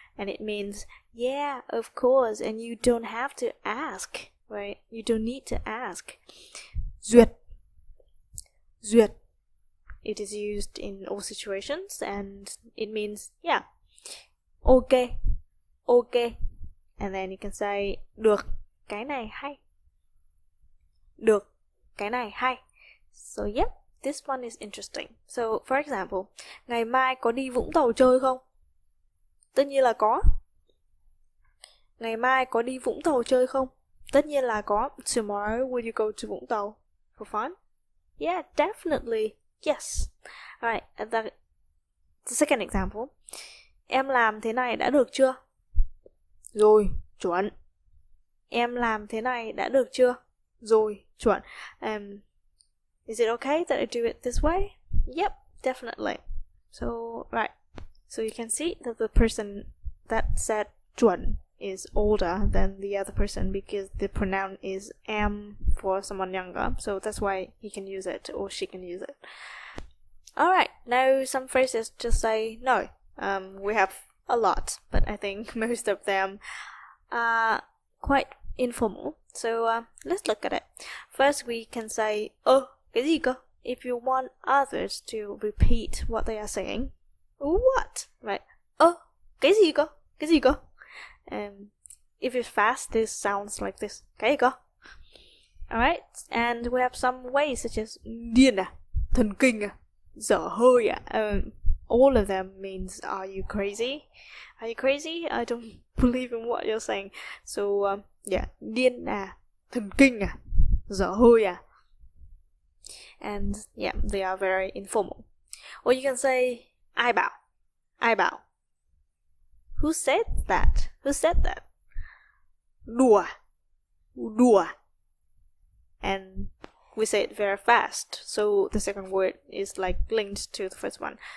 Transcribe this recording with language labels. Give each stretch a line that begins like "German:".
English: And it means, yeah, of course, and you don't have to ask, right? You don't need to ask.
Vietnamese: Duyệt. Duyệt.
English: It is used in all situations and it means, yeah. Okay, okay. And then you can say,
Vietnamese: được, cái này hay. Được, cái này hay.
English: So, yep, this one is interesting. So, for example,
Vietnamese: ngày mai có đi Vũng Tàu chơi không? Tất nhiên là có. Ngày mai có đi Vũng Tàu chơi không? Tất nhiên là có.
English: Tomorrow, will you go to Vũng Tàu for fun? Yeah, definitely. Yes. Alright, the second example.
Vietnamese: Em làm thế này đã được chưa? Rồi, chuẩn. Em làm thế này đã được chưa? Rồi, chuẩn.
English: Is it okay that I do it this way? Yep, definitely. So, right. So you can see that the person that said chuẩn is older than the other person because the pronoun is am for someone younger. So that's why he can use it or she can use it. Alright, now some phrases to say no. We have a lot, but I think most of them are quite informal. So let's look at it. First, we can say, oh,
Vietnamese: cái gì cơ?
English: If you want others to repeat what they are saying. What? Right. Oh,
Vietnamese: cái gì cơ? Cái gì cơ?
English: If it's fast, this sounds like this.
Vietnamese: Cái gì cơ?
English: Alright, and we have some ways such as
Vietnamese: điên à, thần kinh à, dở hơi à.
English: All of them means, are you crazy? Are you crazy? I don't believe in what you're saying. So, yeah.
Vietnamese: Điên à, thần kinh à, dở hơi à.
English: And, yeah, they are very informal. Or you can say,
Vietnamese: ai bảo? Ai bảo?
English: Who said that? Who said that?
Vietnamese: Đùa. Đùa.
English: And we say it very fast, so the second word is like linked to the first one.